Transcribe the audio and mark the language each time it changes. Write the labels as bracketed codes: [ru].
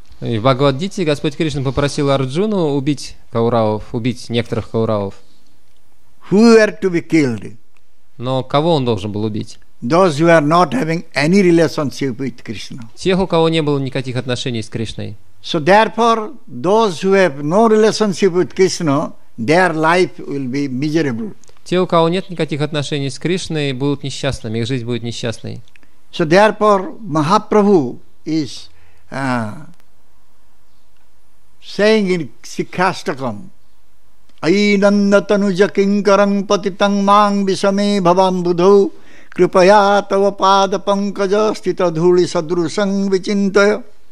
[ru] И в Бхагавад Гите Господь Кришна попросил Арджуну убить Кауравов, убить некоторых Кауравов. [en] Who were to be killed? [ru] Но кого он должен был убить? [en] Those who are not having any relationship with Krishna. [ru] Тех, у кого не было никаких отношений с Кришной. [en] So therefore, those who have no relationship with Krishna, their life will be miserable. [ru] Те, у кого нет никаких отношений с Кришной, будут несчастными, их жизнь будет несчастной. [en] So therefore, Mahaprabhu is saying in Sikhastakam, [sa] Ai nandatanuja kinkaram patitang mang visame bhavam budhau Kripaya tava pada pankaja stita dhuli sadru sang vichintaya.